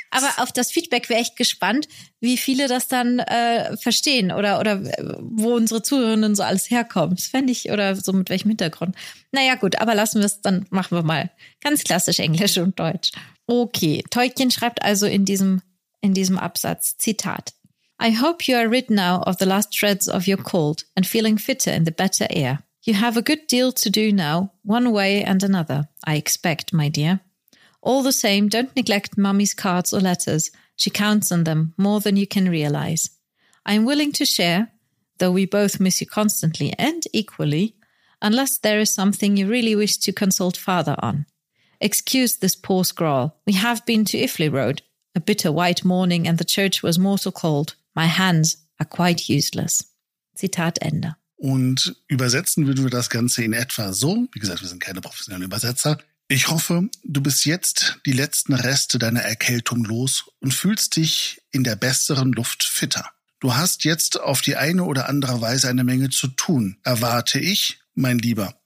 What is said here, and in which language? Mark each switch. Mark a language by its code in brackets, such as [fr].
[de] Aber auf das Feedback wäre ich gespannt, wie viele das dann verstehen oder wo unsere Zuhörenden so alles herkommen. Das fände ich, oder so mit welchem Hintergrund. Naja gut, aber lassen wir es, dann machen wir mal ganz klassisch Englisch und Deutsch. Okay, Tolkien schreibt also in diesem Absatz, Zitat. [en] I hope you are rid now of the last shreds of your cold and feeling fitter in the better air. You have a good deal to do now, one way and another, I expect, my dear. All the same, don't neglect Mummy's cards or letters. She counts on them more than you can realize. I am willing to share, though we both miss you constantly and equally, unless there is something you really wish to consult Father on. Excuse this poor scrawl. We have been to Iffley Road, a bitter white morning, and the church was mortal cold. My hands are quite useless. [de] Zitat Ende. Und übersetzen würden wir das Ganze in etwa so. Wie gesagt, wir sind keine professionellen Übersetzer. Ich hoffe, du bist jetzt die letzten Reste deiner Erkältung los und fühlst dich in der besseren Luft fitter. Du hast jetzt auf die eine oder andere Weise eine Menge zu tun, erwarte ich, mein Lieber.